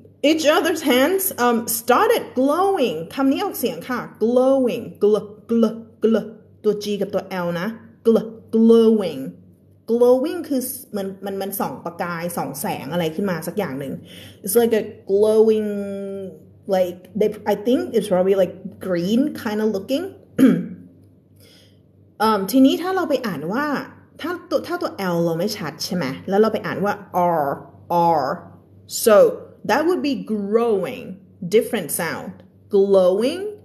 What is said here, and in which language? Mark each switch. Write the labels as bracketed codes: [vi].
[en] each other's hands started glowing [th] คำนี้ออกเสียงค่ะ [en] glowing gl gl gl [th] ตัว G กับตัว L นะ gl glowing glowing คือมันส่องประกายส่องแสงอะไรขึ้นมาสักอย่างหนึ่ง [en] it's like a glowing like they I think it's probably like green kind of looking [th] ทีนี้ถ้าเราไปอ่านว่าถ้าตัว L เราไม่ชัดใช่ไหมแล้วเราไปอ่านว่า R [en] so that would be growing different sound glowing